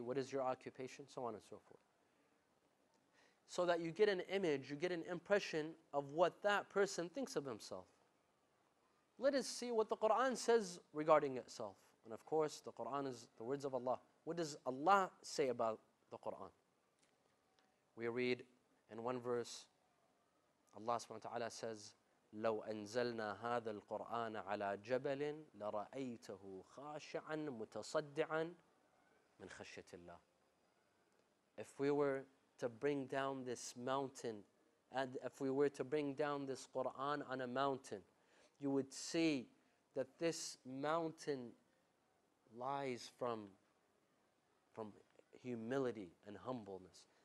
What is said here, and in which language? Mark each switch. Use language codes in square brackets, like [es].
[en] What is your occupation? So on and so forth. So that you get an image, you get an impression of what that person thinks of himself. Let us see what the Quran says regarding itself. And of course, the Quran is the words of Allah. What does Allah say about the Quran? We read in one verse, Allah subhanahu wa ta'ala says, [ar] لو أنزلنا هذا القرآن على جبل لرأيته خاشعا متصدعا من خشية الله. [en] If we were to bring down this mountain, and if we were to bring down this Quran on a mountain, you would see that this mountain lies from humility and humbleness.